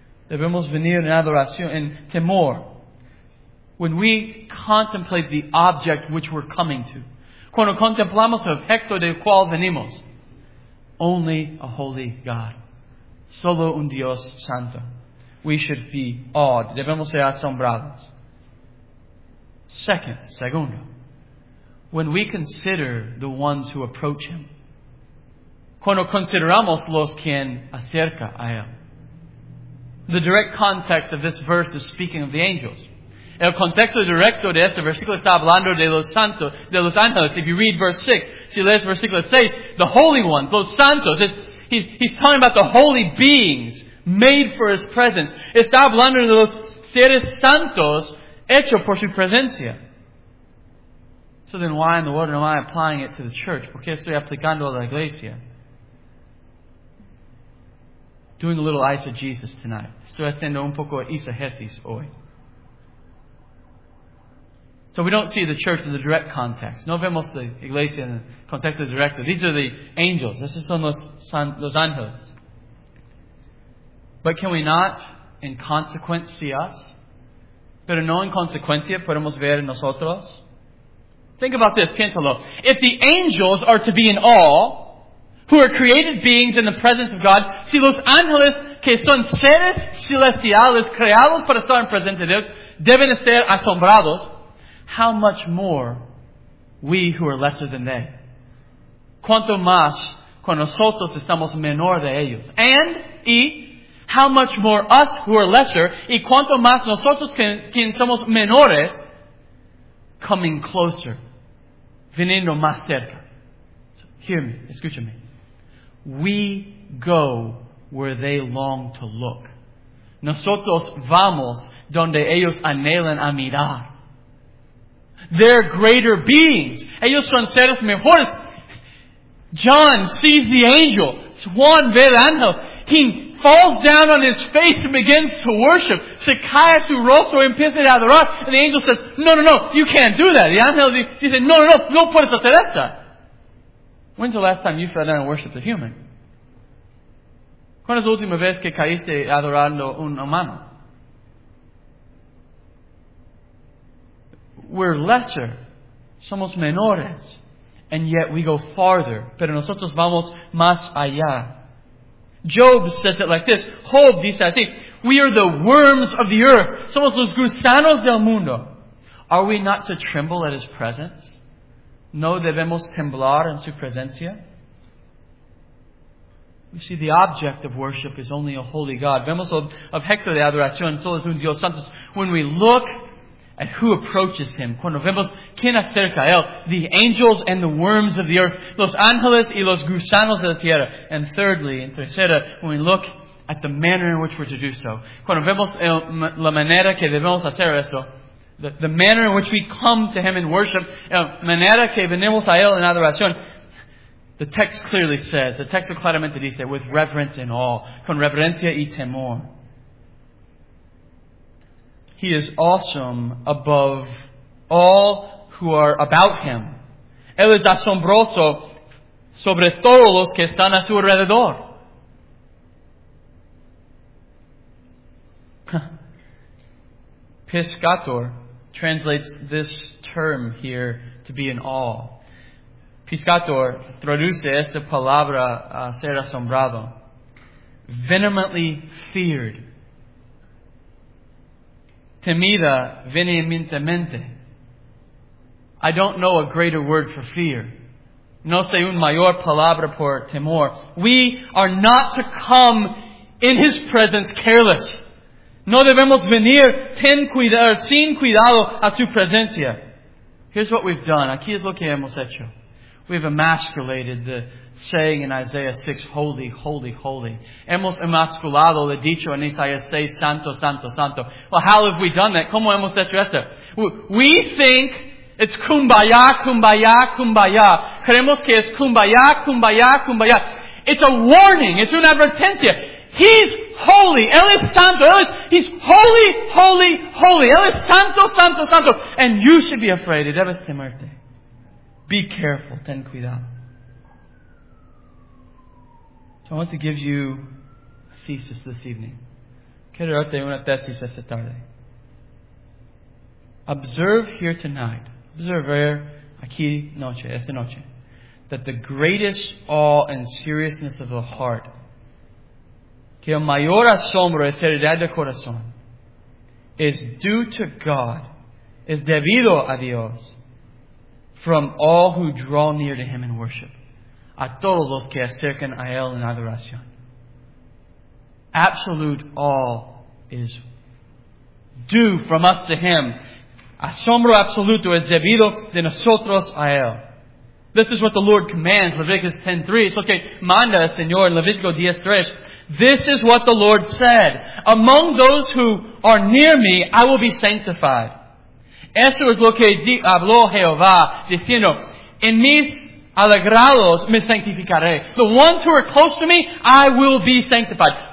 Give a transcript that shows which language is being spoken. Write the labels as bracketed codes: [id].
[es] Debemos venir en adoración, en temor. [en] When we contemplate the object which we're coming to. [es] Cuando contemplamos el objeto del cual venimos. [en] Only a holy God. [es] Solo un Dios santo. [en] We should be awed. [es] Debemos ser asombrados. Segundo. [en] When we consider the ones who approach Him. [es] Cuando consideramos los quien acerca a Él. [en] The direct context of this verse is speaking of the angels. [es] El contexto directo de este versículo está hablando de los santos, de los ángeles. [en] If you read verse 6, [es] si lees versículo 6, [en] the holy ones, [es] los santos. [en] He's talking about the holy beings made for His presence. [es] Está hablando de los seres santos hechos por su presencia. [en] So then why in the world am I applying it to the church? [es] ¿Por qué estoy aplicando a la iglesia? [en] Doing a little eisegesis tonight. [es] Estoy haciendo un poco eisegesis hoy. [en] So we don't see the church in the direct context. [es] No vemos la iglesia en el contexto directo. [en] These are the angels. [es] Estos son los ángeles. [en] But can we not, in consequence, see us? [es] Pero no en consecuencia podemos ver nosotros. [en] Think about this. [es] Piénsalo. [en] If the angels are to be in awe, who are created beings in the presence of God, [es] si los ángeles que son seres celestiales creados para estar en presencia de Dios deben estar asombrados, [en] how much more we who are lesser than they? [es] Cuanto más cuando nosotros estamos menor de ellos. And, y, [en] how much more us who are lesser, [es] y cuanto más nosotros quien somos menores, [en] coming closer, [es] viniendo más cerca. [en] So, hear me, [es] escúchame. [en] We go where they long to look. [es] Nosotros vamos donde ellos anhelan a mirar. [en] They're greater beings. [es] Ellos son seres mejores. [en] John sees the angel. [es] Juan ve el ángel. [en] He falls down on his face and begins to worship. [es] Se cae a su rostro y empieza a adorar. [en] And the angel says, no, no, no, you can't do that. The angel, he says, no, no, no, [es] no puedes hacer esta. [en] When's the last time you fell down and worshiped a human? [es] ¿Cuándo es la última vez que caíste adorando un humano? [en] We're lesser. [es] Somos menores. [en] And yet we go farther. [es] Pero nosotros vamos más allá. [en] Job says it like this. [es] Job dice así. [en] We are the worms of the earth. [es] Somos los gusanos del mundo. [en] Are we not to tremble at His presence? [es] no debemos temblar en su presencia. [en] You see, the object of worship is only a holy God. [es] Vemos objeto de adoración solo es un Dios santo. [en] When we look at who approaches him, [es] cuando vemos quién acerca a él, [en] the angels and the worms of the earth, [es] los ángeles y los gusanos de la tierra. [en] And thirdly, [es] en tercera, [en] when we look at the manner in which we're to do so. [es] Cuando vemos la manera que debemos hacer esto, [en] the manner in which we come to him in worship, [es] la manera que venimos a él en adoración, the text clearly says, the texto claramente dice, [en] with reverence and awe, [es] con reverencia y temor. [en] He is awesome above all who are about him. [es] Él es asombroso sobre todos los que están a su alrededor. [en] Piscator translates this term here to be in awe. [es] Piscator traduce esta palabra a ser asombrado. [en] Venomously feared. [es] Temida venimentemente. [en] I don't know a greater word for fear. [es] No sé un mayor palabra por temor. [en] We are not to come in his presence careless. [es] No debemos venir sin cuidado a su presencia. [en] Here's what we've done. [es] Aquí es lo que hemos hecho. [en] We've emasculated the saying in Isaiah 6, holy, holy, holy. [es] Hemos emasculado el dicho en Isaiah 6, santo, santo, santo. [en] Well, how have we done that? [es] ¿Cómo hemos hecho esto? [en] We think it's kumbaya, kumbaya, kumbaya. [es] Creemos que es kumbaya, kumbaya, kumbaya. [en] It's a warning. [es] It's una advertencia. [en] He's holy. [es] Él es santo. [en] He's holy, holy, holy. [es] Él es santo, santo, santo. [en] And you should be afraid. [es] Debes temerte. [en] Be careful. [es] Ten cuidado. [en] So I want to give you a thesis this evening. [es] Quiero darte una tesis esta tarde. Observe here tonight. Observe aquí noche, esta noche. [en] That the greatest awe and seriousness of the heart, [es] que el mayor asombro y seriedad del corazón, [en] is due to God, [es] is debido a Dios, [en] from all who draw near to him in worship, [es] a todos los que acercan a él en adoración. [en] Absolute awe is due from us to him. [es] Asombro absoluto es debido de nosotros a él. [en] This is what the Lord commands, Leviticus 10:3. It's okay, [es] manda el Señor en Levítico 10:3. [en] This is what the Lord said. Among those who are near me, I will be sanctified. [es] Eso es lo que habló Jehová, diciendo, en mis alegrados me sanctificaré. [en] The ones who are close to me, I will be sanctified.